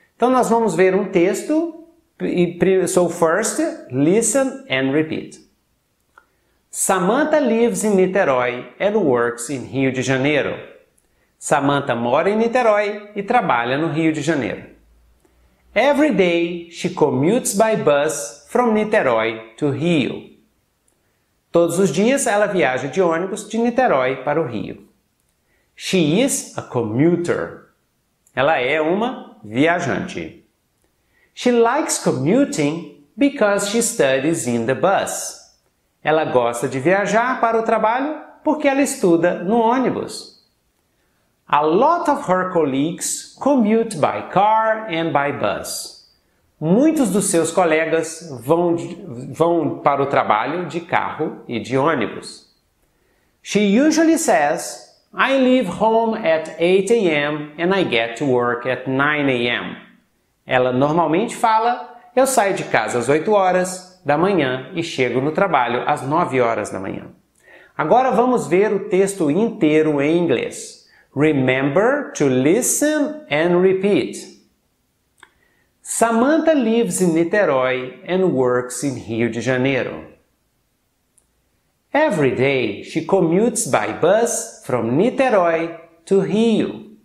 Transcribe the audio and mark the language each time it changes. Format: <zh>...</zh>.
<pt>Então nós vamos ver um texto,</pt> <en>so first, listen and repeat. Samantha lives in Niterói and works in Rio de Janeiro.</en> <pt>Samantha mora em Niterói e trabalha no Rio de Janeiro.</pt> <en>Every day she commutes by bus from Niterói to Rio.</en> <pt>Todos os dias ela viaja de ônibus de Niterói para o Rio.</pt> <en>She is a commuter.</en> <pt>Ela é uma viajante.</pt> <en>She likes commuting because she studies in the bus.</en> <pt>Ela gosta de viajar para o trabalho porque ela estuda no ônibus.</pt> <en>A lot of her colleagues commute by car and by bus.</en> <pt>Muitos dos seus colegas vão para o trabalho de carro e de ônibus.</pt> <en>She usually says, I leave home at 8 a.m. and I get to work at 9 a.m.</en> <pt>Ela normalmente fala, eu saio de casa às 8 horas da manhã e chego no trabalho às 9 horas da manhã. Agora vamos ver o texto inteiro em inglês.</pt> <en>Remember to listen and repeat. Samantha lives in Niterói and works in Rio de Janeiro. Every day she commutes by bus from Niterói to Rio.</en>